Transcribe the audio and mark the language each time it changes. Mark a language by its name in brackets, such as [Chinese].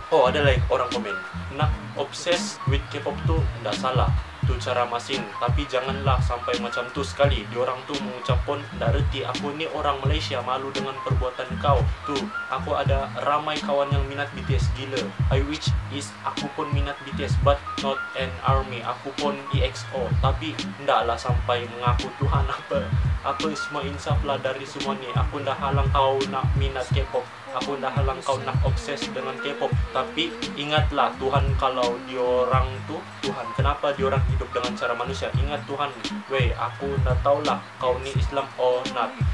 [Malay] Oh, ada lagi orang komen. Nak obses with K-pop tuh enggak salah. Itu cara masing, tapi janganlah sampai macam tu sekali. Diorang tu mengucap pun tak reti, aku ni orang Malaysia, malu dengan perbuatan kau. Tu, aku ada ramai kawan yang minat BTS gila. [English] I wish is [Malay] aku pun minat BTS, [English] but not an army. [Malay] Aku pun EXO, tapi ndaklah sampai mengaku Tuhan apa. Apa semua insaf lah dari semua ni. Aku ndak halang kau nak minat K-pop. Aku ndak halang kau nak obses dengan K-pop. Tapi ingatlah Tuhan, kalau diorang tu Tuhan, kenapa diorang hidup dengan cara manusia? Ingat Tuhan, wey, aku ndak tahulah kau ni Islam [English] or not.